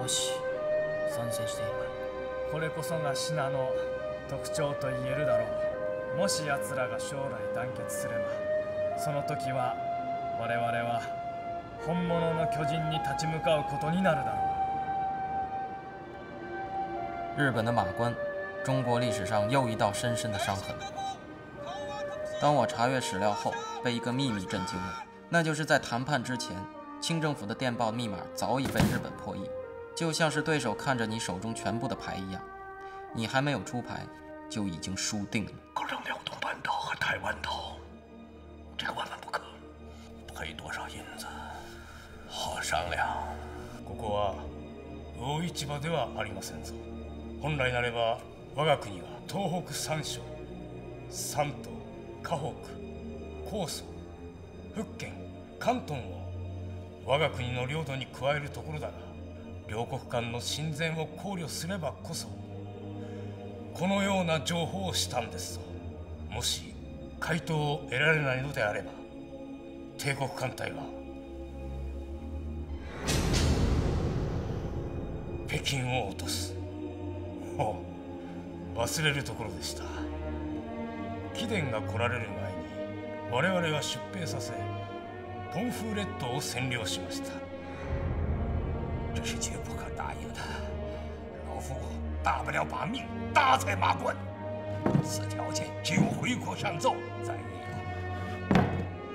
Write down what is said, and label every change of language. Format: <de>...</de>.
<ja>もし参戦していれば、これこそがシナの特徴と言えるだろう。もし奴らが将来団結すれば、その時は我々は本物の巨人に立ち向かうことになるだろう。</ja> <zh>日本的马关，中国历史上又一道深深的伤痕。当我查阅史料后，被一个秘密震惊了，那就是在谈判之前，清政府的电报密码早已被日本破译，就像是对手看着你手中全部的牌一样，你还没有出牌，就已经输定了。可是辽东半岛和台湾岛，这个万万不可，赔多少银子，好商量。</zh> <ja>ここは魚市場ではありませんぞ。本来なれば我が国は東北三省、山東、河北、江蘇、福建、広東を我が国の領土に加えるところだが、両国間の親善を考慮すればこそこのような情報をしたんですぞ。もし回答を得られないのであれば、帝国艦隊は北京を落とす。忘れるところでした。貴殿が来られる前に我々は出兵させ、ポンフー列島を占領しました。</ja> <zh>这是绝不可答应的，老夫大不了把命搭在马关，此条件只有回国上奏再议了。</zh>